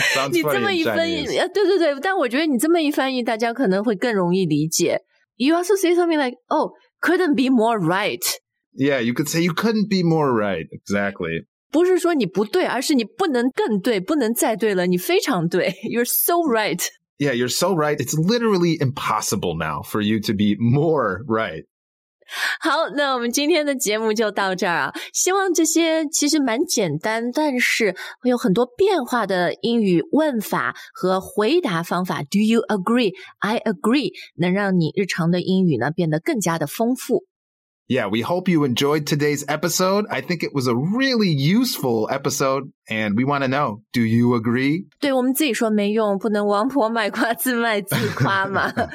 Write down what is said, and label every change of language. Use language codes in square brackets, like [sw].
[zh] 你这么一翻译，对对对，但我觉得你这么一翻译，大家可能会更容易理解。 [en] You also say something like, oh, couldn't be more right. Yeah, you could say you couldn't be more right, exactly. [zh] 不是说你不对，而是你不能更对，不能再对了，你非常对。 [en] You're so right. Yeah, you're so right. It's literally impossible now for you to be more right. [zh] 好，那我们今天的节目就到这儿啊。希望这些其实蛮简单，但是会有很多变化的英语问法和回答方法。 [en] Do you agree? I agree. [zh] 能让你日常的英语呢变得更加的丰富。 [en] Yeah, we hope you enjoyed today's episode. I think it was a really useful episode. And we want to know, do you agree? [zh] 对，我们自己说没用，不能王婆卖瓜自卖自夸嘛。